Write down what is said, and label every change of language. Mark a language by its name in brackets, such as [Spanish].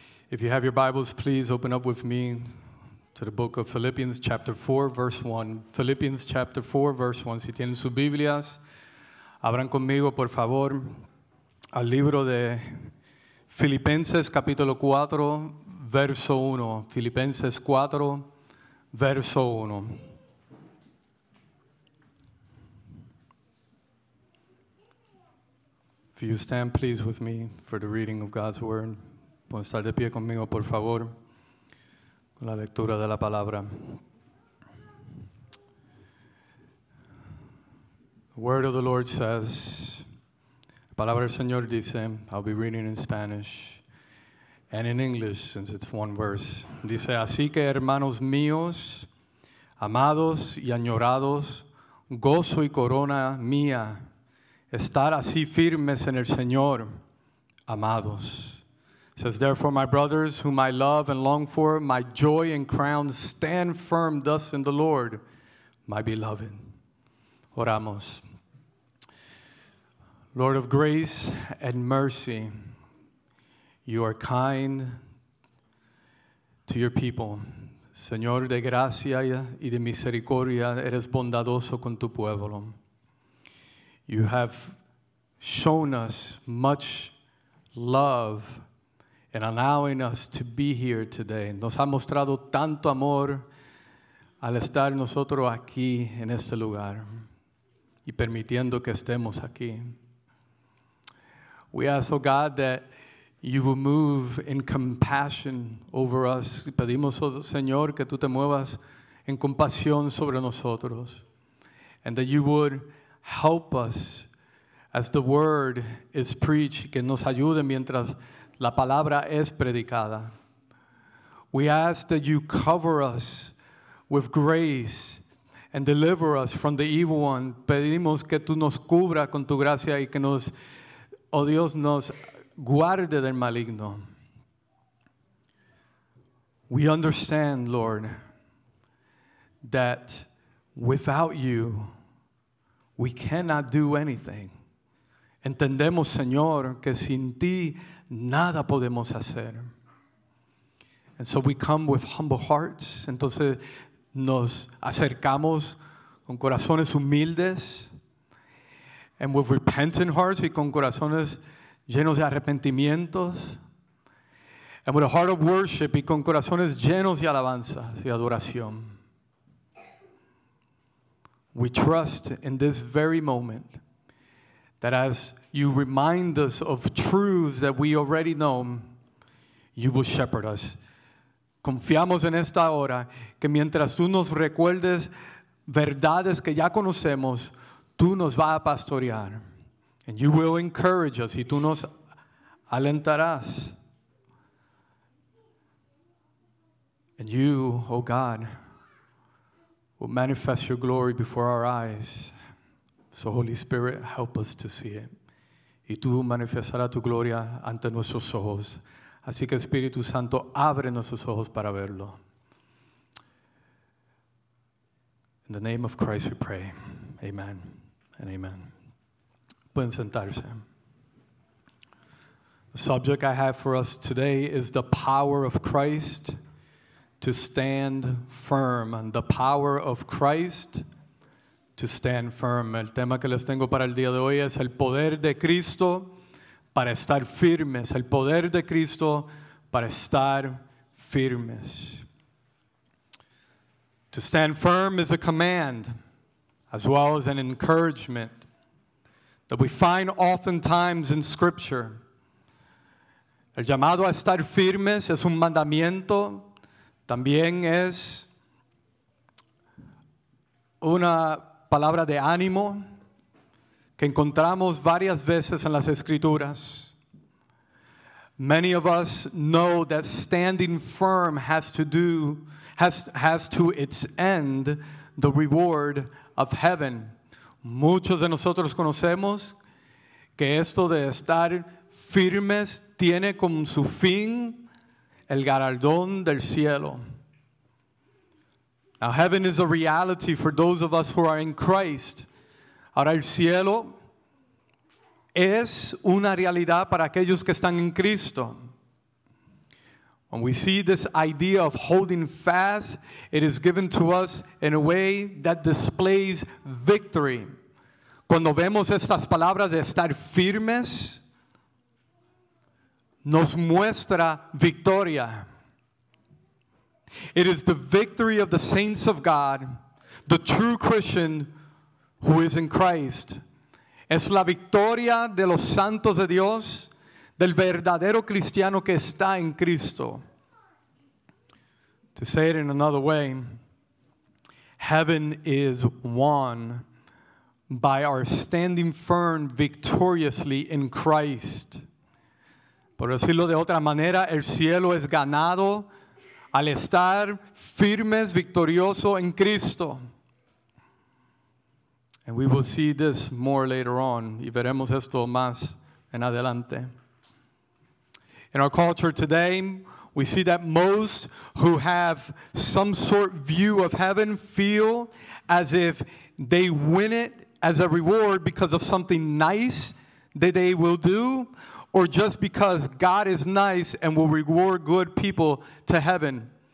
[English] If you have your Bibles, please open up with me to the book of Philippians, chapter 4, verse 1. Philippians, chapter 4, verse 1. [Spanish] Si tienen sus Biblias, abran conmigo, por favor, al libro de Filipenses, capítulo 4, verso 1. Filipenses 4, verso 1. [English] If you stand, please, with me for the reading of God's word. [Spanish] Pueden estar de pie conmigo, por favor, con la lectura de la palabra. [English] The word of the Lord says, [Spanish] la palabra del Señor dice, [English] I'll be reading in Spanish and in English, since it's one verse. [Spanish] Dice, así que, hermanos míos, amados y añorados, gozo y corona mía, estar así firmes en el Señor, amados. [English] It says, therefore, my brothers, whom I love and long for, my joy and crown, stand firm thus in the Lord, my beloved. [Spanish] Oramos. [English] Lord of grace and mercy, you are kind to your people. [Spanish] Señor de gracia y de misericordia, eres bondadoso con tu pueblo. [English] You have shown us much love in allowing us to be here today. [Spanish] Nos ha mostrado tanto amor al estar nosotros aquí en este lugar y permitiendo que estemos aquí. [English] We ask, oh God, that you will move in compassion over us. [Spanish] Pedimos, oh Señor, que tú te muevas en compasión sobre nosotros, [English] and that you would help us as the word is preached, [Spanish] que nos ayude mientras la palabra es predicada. [English] We ask that you cover us with grace and deliver us from the evil one. [Spanish] Pedimos que tú nos cubra con tu gracia y que nos, oh Dios, nos guarde del maligno. [English] We understand, Lord, that without you, we cannot do anything. [Spanish] Entendemos, Señor, que sin ti nada podemos hacer. [English] And so we come with humble hearts. [Spanish] Entonces nos acercamos con corazones humildes. [English] And with repentant hearts [Spanish] y con corazones llenos de arrepentimientos. [English] And with a heart of worship [Spanish] y con corazones llenos de alabanzas y adoración. [English] We trust in this very moment that as you remind us of truths that we already know, you will shepherd us. [Spanish] Confiamos en esta hora que mientras tú nos recuerdes verdades que ya conocemos, tú nos vas a pastorear. [English] And you will encourage us [Spanish] y tú nos alentarás. [English] And you, oh God, will manifest your glory before our eyes. So Holy Spirit, help us to see it. [Spanish] Y tú manifestarás tu gloria ante nuestros ojos. Así que Espíritu Santo, abre nuestros ojos para verlo. [English] In the name of Christ we pray. Amen and amen. [Spanish] Pueden sentarse. [English] The subject I have for us today is the power of Christ to stand firm. And the power of Christ to stand firm. [Spanish] El tema que les tengo para el día de hoy es el poder de Cristo para estar firmes. El poder de Cristo para estar firmes. [English] To stand firm is a command as well as an encouragement that we find oftentimes in Scripture. [Spanish] El llamado a estar firmes es un mandamiento. También es una palabra de ánimo que encontramos varias veces en las Escrituras. [English] Many of us know that standing firm has to its end the reward of heaven. [Spanish] Muchos de nosotros conocemos que esto de estar firmes tiene como su fin el galardón del cielo. [English] Now heaven is a reality for those of us who are in Christ. [Spanish] Ahora el cielo es una realidad para aquellos que están en Cristo. [English] When we see this idea of holding fast, it is given to us in a way that displays victory. [Spanish] Cuando vemos estas palabras de estar firmes, nos muestra victoria. [English] It is the victory of the saints of God, the true Christian who is in Christ. [Spanish] Es la victoria de los santos de Dios, del verdadero cristiano que está en Cristo. [English] To say it in another way, heaven is won by our standing firm victoriously in Christ. [Spanish] Por decirlo de otra manera, el cielo es ganado al estar firmes, victorioso en Cristo. [English] And we will see this more later on. [Spanish] Y veremos esto más en adelante. [English] In our culture today, we see that most who have some sort view of heaven feel as if they win it as a reward because of something nice that they will do, or just because God is nice and will reward good people to heaven.